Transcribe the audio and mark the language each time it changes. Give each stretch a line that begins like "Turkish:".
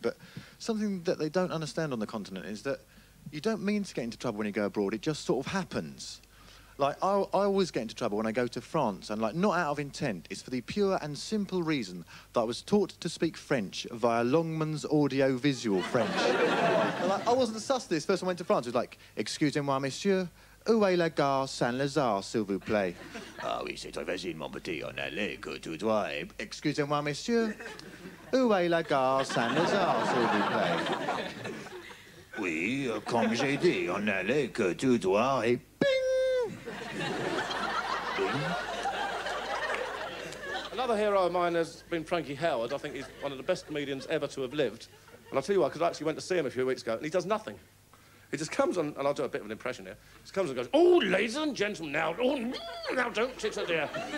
English: But something that they don't understand on the continent is that you don't mean to get into trouble when you go abroad, it just sort of happens. Like, I always get into trouble when I go to France, and, like, not out of intent. It's for the pure and simple reason that I was taught to speak French via Longman's audio-visual French. Like, I wasn't sus this first time I went to France. It was like,
French: excusez-moi, monsieur, où est la gare Saint-Lazare, s'il vous plaît? Ah oui, c'est très facile, mon petit, on allait que tu dois. Excusez-moi, monsieur, où est la gare Saint-Lazare, s'il vous plaît? Oui, comme j'ai dit, on allait que tu dois, et ping!
English: Another hero of mine has been Frankie Howard. I think he's one of the best comedians ever to have lived. And I'll tell you why, because I actually went to see him a few weeks ago, and he does nothing. He just comes on, and I'll do a bit of an impression here. He just comes and goes, oh, ladies and gentlemen, now, oh, now don't titter there.